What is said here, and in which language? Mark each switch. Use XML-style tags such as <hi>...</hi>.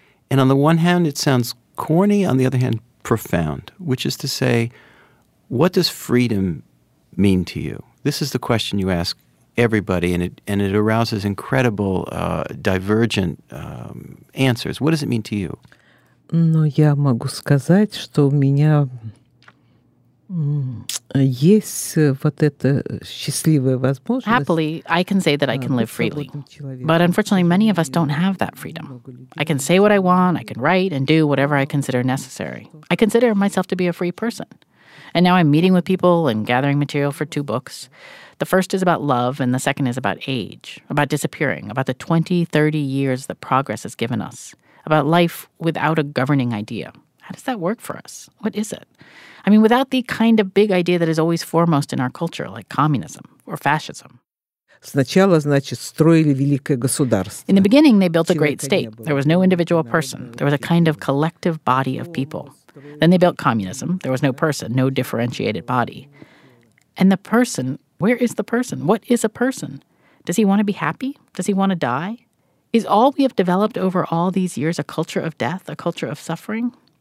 <en>And on the one hand, it sounds corny. On the other hand, profound, which is to say, what does freedom mean to you? This is the question you ask everybody, and it arouses incredible divergent answers. What does it mean to you?</en> <ru>Но я могу сказать, что у меня есть вот эта счастливая возможность.</ru> <en>Happily, I can say that I can live freely. But unfortunately, many of us don't have that freedom. I can say what I want, I can write and do whatever I consider necessary. I consider myself to be a free person. And now I'm meeting with people and gathering material for two books. The first is about love, and the second is about age, about disappearing, about the 20, 30 years that progress has given us, about life without a governing idea. How does that work for us? What is it? I mean, without the kind of big idea that is always foremost in our culture, like communism or fascism.</en> <ru>Сначала, значит, строили великое государство.</ru> <en>In the beginning, they built a great state. There was no individual person. There was a kind of collective body of people. Then they built communism. There was no person, no differentiated body. And the person, where is the person? What is a person? Does he want to be happy? Does he want to die? Is all we have developed over all these years a culture of death, a culture of suffering?</en>